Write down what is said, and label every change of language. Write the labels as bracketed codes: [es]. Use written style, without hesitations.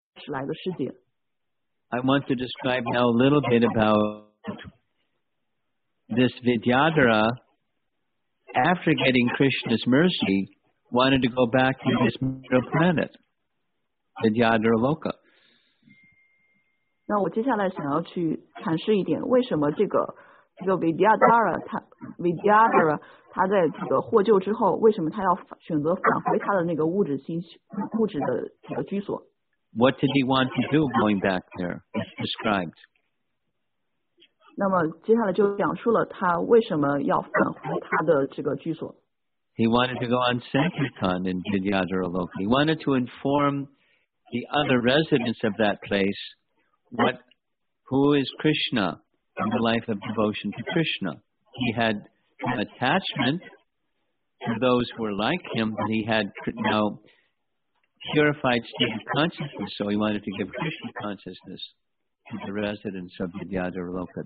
[en] I want to describe now a little bit about this Vidyadhara, after getting Krishna's mercy, wanted to go back to this material planet, Vidyadhara Loka. [zh] 那我接下来想要去阐释一点，为什么这个 Vidyadhara 他在这个获救之后，为什么他要选择返回他的那个物质的这个居所？ [en] What did he want to do going back there? It's described. [zh] 那么接下来就讲述了他为什么要返回他的这个居所。 [en] He wanted to go on Sankirtan in Vidyadhara Loka. He wanted to inform the other residents of that place who is Krishna in the life of devotion to Krishna. He had an attachment to those who were like him, but he had now purified state of consciousness, so he wanted to give Krishna consciousness to the residents of Vidyadhara Loka.